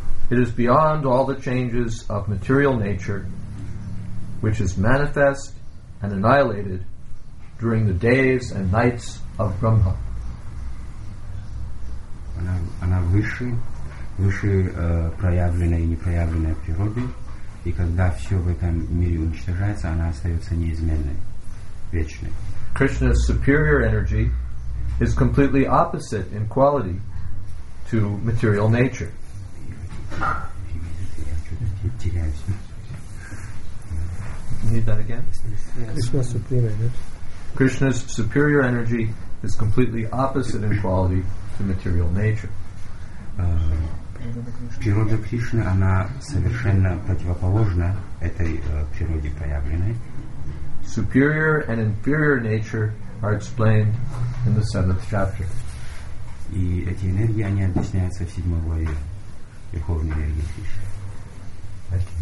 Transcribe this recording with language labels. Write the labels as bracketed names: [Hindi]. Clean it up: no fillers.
[English] It is beyond all the changes of material nature, which is manifest and annihilated during the days and nights of Brahma. [Russian] Она выше, выше проявленной и непроявленной природы, и когда все в этом мире уничтожается, она остается неизменной, вечной. [English] Krishna's superior energy is completely opposite in quality to material nature. Need that again? Krishna's supreme energy. Krishna's superior energy is completely opposite in quality to material nature. [Russian] Природа Кришны, она совершенно противоположна этой природе проявленной. [English] Superior and inferior nature are explained in the 7th chapter. [Russian] И эти энергии, они объясняются в 7 главе Верховной энергии Кришны.